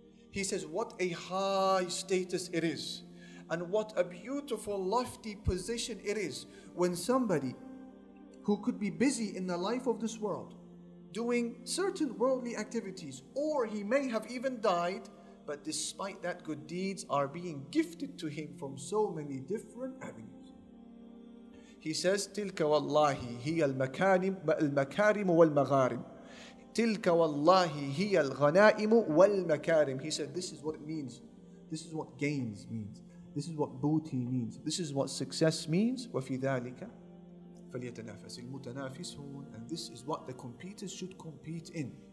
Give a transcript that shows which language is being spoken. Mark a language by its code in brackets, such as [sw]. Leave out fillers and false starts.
[en] He says, what a high status it is and what a beautiful lofty position it is when somebody who could be busy in the life of this world doing certain worldly activities, or he may have even died, but despite that, good deeds are being gifted to him from so many different avenues. He says, [ar] تِلْكَ وَاللَّهِ هِيَ الْمَكَارِمُ وَالْمَغَارِمُ. تِلْكَ وَاللَّهِ هِيَ الْغَنَائِمُ وَالْمَكَارِمُ. [en] He said, this is what it means. This is what gains means. This is what booty means. This is what success means. [ar] وَفِي ذَلِكَ فَلْيَتَنَافَسِ الْمُتَنَافِسُونَ. [en] And this is what the competitors should compete in.